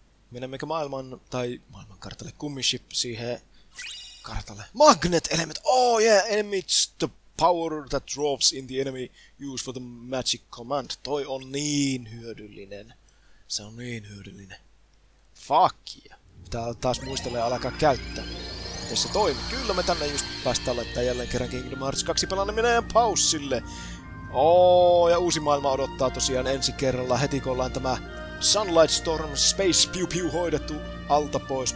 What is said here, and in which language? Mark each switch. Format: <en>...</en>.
<fi>Menemmekö maailman, tai maailman kartalle, kummiship siihen kartalle.</fi> <en>Magnet element! Oh yeah, enemies, the power that drops in the enemy used for the magic command.</en> <fi>Toi on niin hyödyllinen. Se on niin hyödyllinen.</fi> <en>Fuck yeah.</en> <fi>Pitää taas muistella ja alkaa käyttää. Miten se toimii? Kyllä me tänne just päästään laittaa jälleen kerran Kingdom Hearts 2 pelaaminen paussille. Oo, ja uusi maailma odottaa tosiaan ensi kerralla heti kun ollaan tämä Sunlight Storm Space Pew Pew hoidettu alta pois.</fi>